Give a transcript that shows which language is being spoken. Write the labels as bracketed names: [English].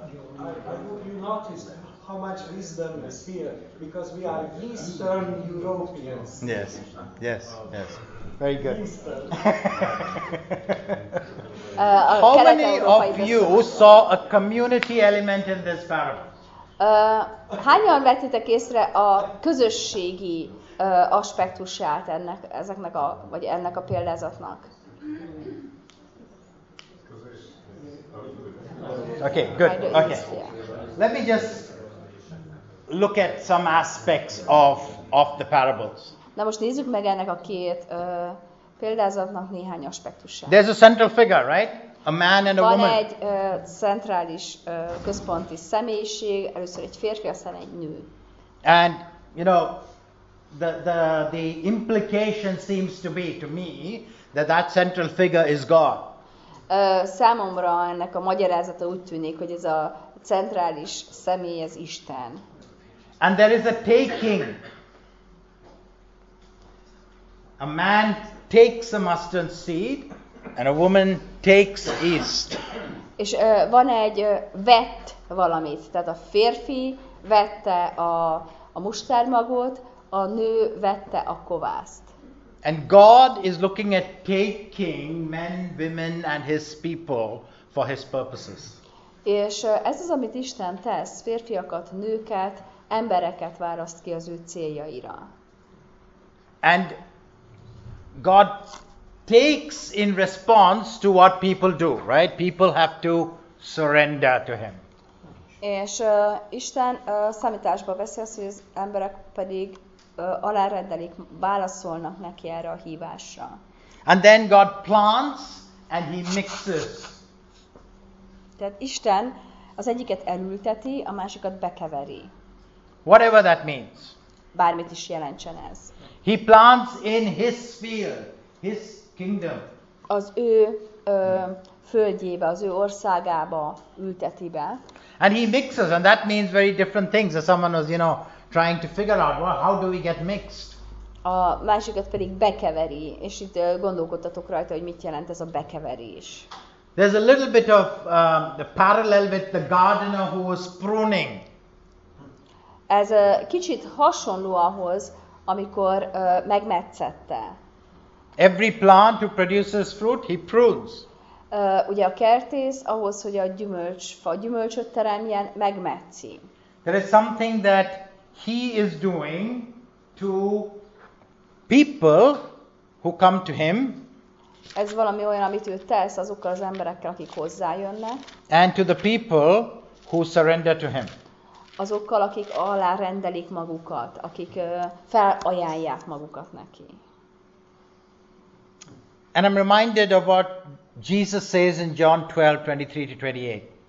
[English] You notice how much wisdom is here, because we are Eastern Europeans. Yes. Very good. How many of you saw a community element in this parable? [Hungarian] Hányan vettétek észre a közösségi aspektusát ennek, ezeknek a, vagy ennek a példázatnak? [English] Okay, good. Okay. Let me just look at some aspects of the parables. [Hungarian] Na most nézzük meg ennek a két példázatnak néhány aspektusát. [English] There's a central figure, right? A man and a [Hungarian] van [English] woman. [Hungarian] Van egy centrális központi személyiség, először egy férfi, aztán egy nő. [English] And you know, the implication seems to be to me that central figure is God. [Hungarian] Számomra ennek a magyarázata úgy tűnik, hogy ez a centrális személy az Isten. [English] And there is a taking. A man takes a mustard seed, and a woman takes yeast. [Hungarian] És van egy vett valamit, tehát a férfi vette a mustármagot, a nő vette a kovászt. [English] And God is looking at taking men, women and his people for his purposes. [Hungarian] És ez az, amit Isten tesz, férfiakat, nőket, embereket választ ki az ő céljaira. [English] And God takes in response to what people do, right? People have to surrender to him. [Hungarian] És Isten számításba veszi azt, hogy az emberek pedig alárendelik, válaszolnak neki erre a hívásra. [English] And then God plants and he mixes. [Hungarian] Tehát Isten az egyiket elülteti, a másikat bekeveri. [English] Whatever that means. [Hungarian] Bármit is jelentsen ez. [English] He plants in his field, his kingdom. [Hungarian] Az ő földjébe, az ő országába ülteti be. [English] And he mixes, and that means very different things. If someone was, you know, trying to figure out, well, how do we get mixed? [Hungarian] A másikat pedig bekeveri, és itt gondolkodtatok rajta, hogy mit jelent ez a bekeverés. [English] There's a little bit of the parallel with the gardener who was pruning. [Hungarian] Ez kicsit hasonló ahhoz, amikor megmetszette. [English] Every plant who produces fruit, he prunes. [Hungarian] Ugye a kertész ahhoz, hogy a gyümölcsfa gyümölcsöt teremjen, megmetszi. [English] There is something that he is doing to people who come to him. [Hungarian] Ez valami olyan, amit ő tesz azokkal az emberekkel, akik hozzájönnek. [English] And to the people who surrender to him. [Hungarian] Azokkal, akik alárendelik magukat, akik felajánlják magukat neki. [English] And I'm reminded of what Jesus says in John 12:23-28.